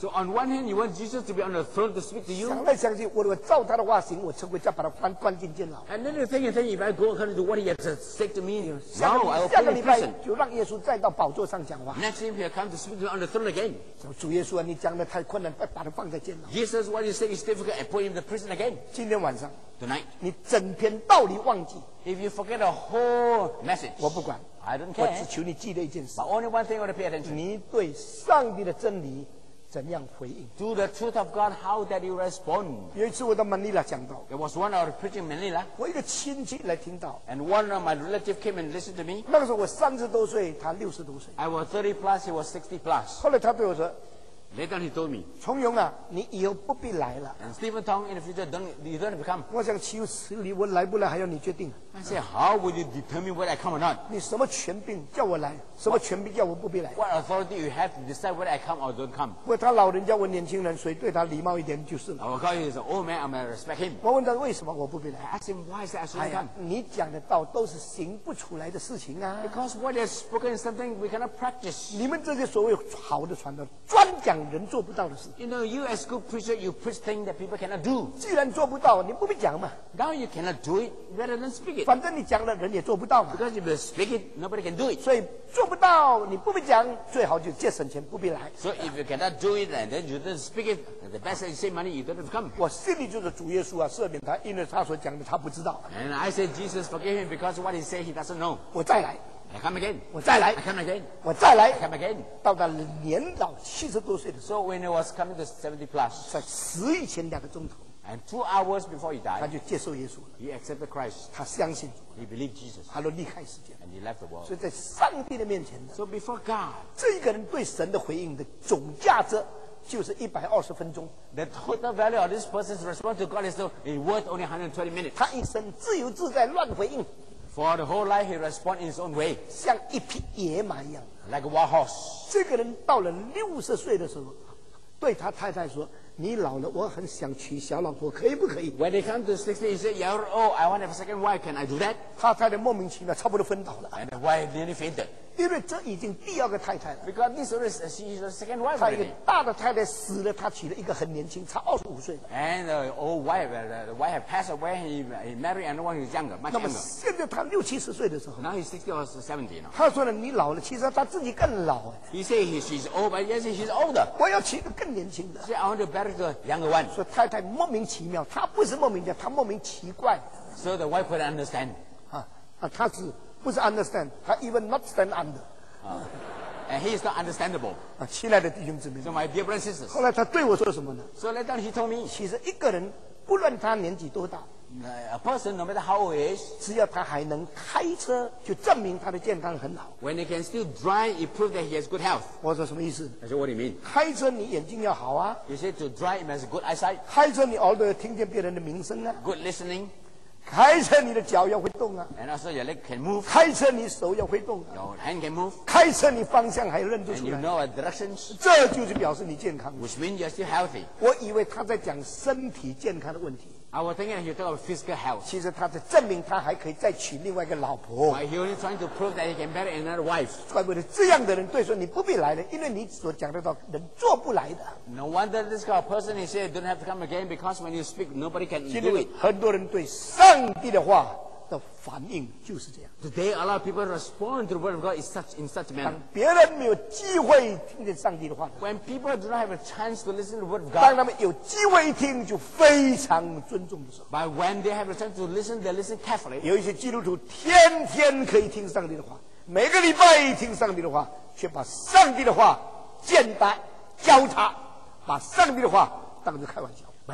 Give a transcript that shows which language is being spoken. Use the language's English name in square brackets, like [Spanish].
[English] So on one hand you want Jesus to be on the throne to speak to you [Chinese] 想来想去我如果照他的话行我吃亏再把他关进监牢 [English] And then you think if I go according to what he has said to me [Chinese] 下个礼拜就让耶稣再到宝座上讲话 [English] Next time he'll come to speak to me on the throne again [Chinese] 主耶稣啊你讲的太困难把他放在监牢 [English] Jesus what you say is difficult and put him in the prison again [Chinese] 今天晚上 [English] Tonight [Chinese] 你整篇道理忘记 [English] If you forget the whole message [Chinese] 我不管 [English] I don't care [Chinese] 我只求你记得一件事 [English] But only one thing I want to pay attention [Chinese] 你对上帝的真理怎样回应 [English] To the truth of God, how did you respond? [Chinese] 有一次我到 Manila 讲道 [English] There was one of the preaching Manila. [Chinese] 我一个亲戚来听道 [English] And one of my relatives came and listened to me. [Chinese] 那个时候我30多岁，他60多岁 [English] I was 30 plus, he was 60 plus. [Chinese] 后来他对我说 [English] Later on, he told me, [Chinese] 崇勇啊，你以后不必来了。 [English] And Stephen Tong, in the future, you don't have to come. [Chinese] 我想岂有此理，我来不来还要你决定。 [English] I said, how would you determine whether I come or not? [Chinese] 你什么权柄叫我来？什么权柄叫我不必来？ [English] What authority you have to decide whether I come or don't come? [Chinese] 不，他老人家问年轻人，谁对他礼貌一点就是了。 [English] I call him, he's an old man, I'm gonna respect him. [Chinese] 我问他为什么我不必来？ [English] I asked him, why is that I shouldn't come? [Chinese] 你讲的道都是行不出来的事情啊。 [English] Because what is spoken is something we cannot practice. [Chinese] 你们这些所谓好的传道，专讲人做不到的事。 [English] You know, you as good preacher, you preach things that people cannot do. [Chinese] 既然做不到，你不必讲嘛。 [English] Now you cannot do it, rather than speak it. [Chinese] 反正你讲了，人也做不到嘛。 [English] Because if you speak it, nobody can do it. [Chinese] 所以做不到，你不必讲，最好就节省钱，不必来。 [English] So if you cannot do it, and then you don't speak it, the best is save money, you don't have to come. [Chinese] 我心里就是主耶稣啊，赦免他，因为他所讲的他不知道。 [English] And I say Jesus forgive him because what he say he doesn't know. [Chinese] 我再来。 [English] I come again. [Chinese] 我再来。 [English] I come again. [Chinese] 我再来。 [English] I come again. [Chinese] 到达年老七十多岁的时候。 [English] So when he was coming to 70 plus. [Chinese] 在死以前两个钟头。 [English] And 2 hours before he died. [Chinese] 他就接受耶稣了。 [English] He accepted Christ. [Chinese] 他相信。 [English] He believed Jesus. [Chinese] 他就离开世界。 [English] And he left the world. [Chinese] 所以在上帝的面前的。 [English] So before God. [Chinese] 这一个人对神的回应的总价值就是120分钟。 [English] The total value of this person's response to God is worth only 120 minutes. [Chinese] 他一生自由自在乱回应。 [English] For the whole life, he responds in his own way. [Chinese] 像一匹野马一样。 [English] Like a wild horse. [Chinese] 这个人到了60岁的时候，对他太太说：“你老了，我很想娶小老婆，可以不可以？” [English] When he comes to 60, he said, "You're old. I want to have a second wife. Can I do that?" [Chinese] 他太太莫名其妙，差不多昏倒了。 [English] And the wife nearly fainted. [Chinese] 因为这已经第二个太太了。 [English] Because this is she's the second wife. [Chinese] 他一个大的太太死了，他娶了一个很年轻，差25岁。 [English] And the old wife, the wife passed away. He married another one who's younger, much younger. [Chinese] 那么现在他六七十岁的时候。 [English] Now he's 60 or 70 now. [Chinese] 他说了，你老了，其实他自己更老。 [English] He said she's old, but yes, she's older. [Chinese] 我要娶个更年轻的。 [English] See, I want to better. [Chinese] 所以太太莫名其妙，她不是莫名其妙，她莫名奇怪。 [English] So the wife couldn't understand. [Chinese] 她是不是 [English] understand? [Chinese] 她 [English] even not stand under. And he is not understandable. [Chinese] 亲爱的弟兄姊妹。 [English] So my dear brothers and sisters. [Chinese] 后来她对我说什么呢？ [English] So later he told me. [Chinese] 其实一个人不论他年纪多大。 [English] A person, no matter how old he is, [Chinese] 只要他还能开车，就证明他的健康很好。 [English] When he can still drive, it proves that he has good health. [Chinese] 我说什么意思？ [English] I said, what do you mean? [Chinese] 开车你眼睛要好啊。 [English] You said to drive, it has good eyesight. [Chinese] 开车你耳朵要听见别人的名声啊。 [English] Good listening. [Chinese] 开车你的脚要会动啊。 [English] And also your leg can move. [Chinese] 开车你手要会动啊。 [English] Your hand can move. [Chinese] 开车你方向还认得出来。 [English] And you know directions. [Chinese] 这就是表示你健康。 [English] Which means you're still healthy. [Chinese] 我以为他在讲身体健康的问题。 [English] I was thinking he talked about physical health. [Chinese] 其实他在证明他还可以再娶另外一个老婆。 [English] He was trying to prove that he can marry another wife. [Chinese] 怪不得这样的人对说你不必来了，因为你所讲的到人做不来的。 [English] No wonder this kind of person he said don't have to come again because when you speak nobody can do it. [Chinese] 很多人对上帝的话的反应就是这样。 [English] Today a lot of people respond to the word of God in such manner. [Chinese] 当别人没有机会听见上帝的话。 [English] When people do not have a chance to listen to the word of God. [Chinese] 当他们有机会一听就非常尊重的时候。 [English] But when they have a chance to listen, they listen carefully. [Chinese] 有一些基督徒天天可以听上帝的话，每个礼拜听上帝的话，却把上帝的话践踏、糟蹋，把上帝的话当作开玩笑。